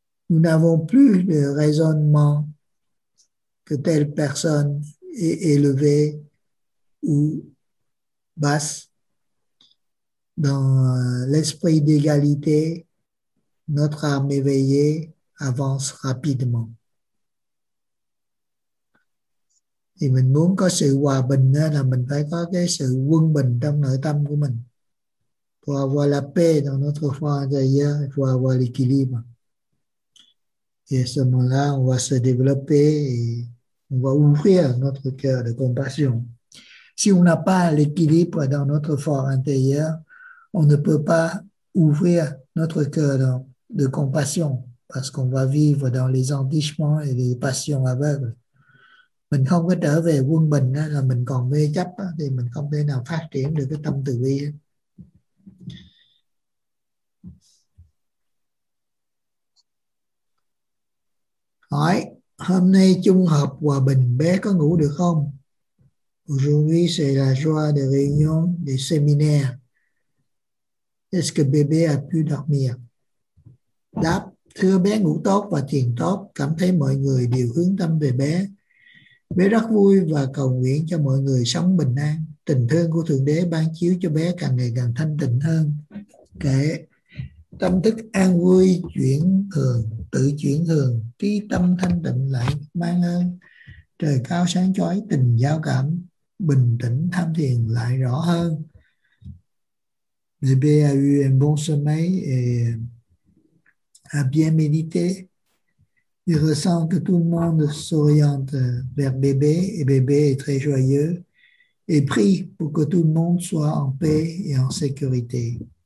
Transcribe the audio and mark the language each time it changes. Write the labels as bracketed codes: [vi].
[fr] Nous n'avons plus de raisonnement que telle personne est élevée ou basse. Dans l'esprit d'égalité, notre âme éveillée avance rapidement. [vi] Thì mình muốn có sự hòa bình là mình phải có cái sự quân bình trong nội tâm của mình. [fr] Pour avoir la paix dans notre foi intérieur, il faut avoir l'équilibre. Et à ce moment-là, on va se développer et on va ouvrir notre cœur de compassion. Si on n'a pas l'équilibre dans notre foi intérieur, on ne peut pas ouvrir notre cœur de compassion parce qu'on va vivre dans les endichements et les passions aveugles. [vi] Mình không có trở về quân bình là mình còn mê chấp thì mình không thể nào phát triển được cái tâm từ bi. Hỏi, hôm nay trung hợp hòa bình bé có ngủ được không? [fr] Aujourd'hui c'est la joie de réunion de séminaire. Est-ce que bébé a pu dormir? [vi] Đáp, thưa bé ngủ tốt và thiền tốt, cảm thấy mọi người đều hướng tâm về bé. Bé rất vui và cầu nguyện cho mọi người sống bình an. Tình thương của Thượng Đế ban chiếu cho bé càng ngày càng thanh tịnh hơn. Kể tâm thức an vui chuyển thường, tự chuyển thường, trí tâm thanh tịnh lại mang hơn. Trời cao sáng chói, tình giao cảm, bình tĩnh tham thiền lại rõ hơn. [fr] Bébé a eu un bon sommeil et a bien médité. Il ressent que tout le monde s'oriente vers bébé et bébé est très joyeux et prie pour que tout le monde soit en paix et en sécurité.